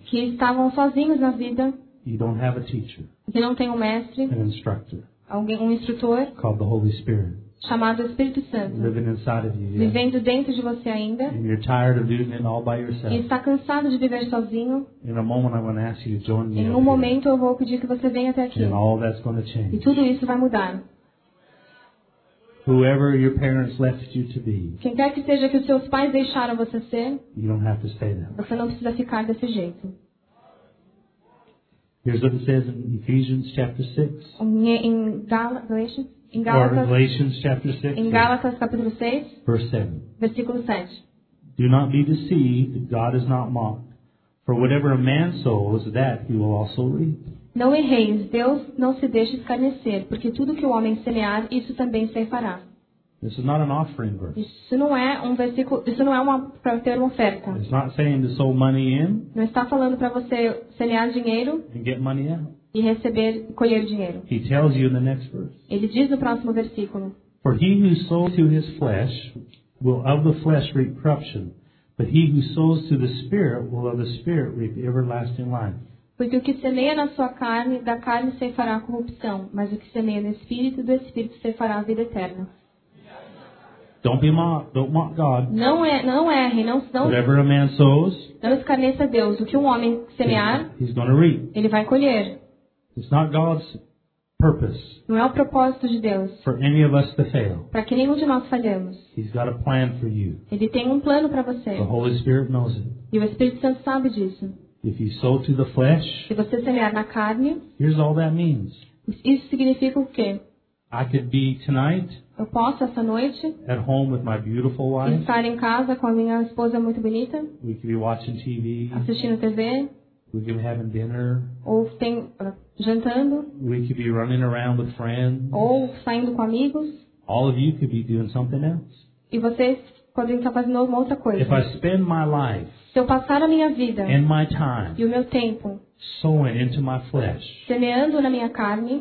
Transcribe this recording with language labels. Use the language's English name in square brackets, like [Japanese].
[Portuguese] Que estavam sozinhos na vida. [English] You don't have a teacher. [Portuguese] Que não tem um mestre. [English] An instructor. [Portuguese] Alguém, um instrutor. [English] Called the Holy Spirit. [Portuguese] Chamado Espírito Santo. [English] Living inside of you. [Portuguese] Vivendo dentro de você ainda. [English] And you're tired of doing it all by yourself. [Portuguese] E está cansado de viver sozinho. [English] In a moment, I'm going to ask you to join me. [Portuguese] Em um momento, eu vou pedir que você venha até aqui. [English] And all that's going to change. [Portuguese] E tudo isso vai mudar. [English] Whoever your parents left you to be. [Portuguese] Quem quer que seja que os seus pais deixaram você ser. [English] You don't have to stay there. [Portuguese] Você não precisa ficar desse jeito. [English] Here's what it says in Ephesians chapter 6. [Portuguese] Em Galatians. In [English] Galatians chapter 6. In Galatians chapter 6. Verse 7. [Portuguese] Versículo 7. [English] Do not be deceived, God is not mocked. For whatever a man sows, that he will also reap. [Portuguese] Não erreis, Deus não se deixa escarnecer, porque tudo que o homem semear, isso também se fará. [English] This is not an offering verse. [Portuguese] Isso não é um versículo, isso não é uma para ter uma oferta. [English] It's not saying to sow money in. [Portuguese] Não está falando para você semear dinheiro. [English] And get money out. [Portuguese] E receber, colher dinheiro. [English] He tells you in the next verse. [Portuguese] Ele diz no próximo versículo. [English] For he who sows to his flesh will of the flesh reap corruption, but he who sows to the Spirit will of the Spirit reap everlasting life. [Portuguese] Porque o que semeia na sua carne, da carne se fará corrupção, mas o que semeia no Espírito, do Espírito se fará vida eterna. [English] Don't be mocked. Don't mock God. [Portuguese] Não erre. [English] Whatever a man sows, [Portuguese] não escarneça Deus. O que um homem semear, [English] he's going to reap. [Portuguese] Ele vai colher. [English] It's not God's purpose. [Portuguese] Não é o propósito de Deus. [English] For any of us to fail. [Portuguese] Para que nenhum de nós falhemos. [English] He's got a plan for you. [Portuguese] Ele tem um plano para você. [English] The Holy Spirit knows it. [Portuguese] E o Espírito Santo sabe disso. [English] If you sow to the flesh. [Portuguese] Se você semear na carne. [English] Here's all that means. [Portuguese] Isso significa o quê? [English] I could be tonight. [Portuguese] Eu posso essa noite. [English] At home with my beautiful wife. [Portuguese] Estar em casa com a minha esposa muito bonita. [English] We could be watching TV. [Portuguese] Assistindo TV. [English] We could be having dinner. [Portuguese] Ou tem jantando. [English] We could be running around with friends. [Portuguese] Ou saindo com amigos. [English] All of you could be doing something else. [Portuguese] E vocês podem estar fazendo uma outra coisa. [English] If I spend my life. [Portuguese] Se eu passar a minha vida. [English] And my time. [Portuguese] E o meu tempo. [English] Sowing into my flesh. [Portuguese] Semeando na minha carne.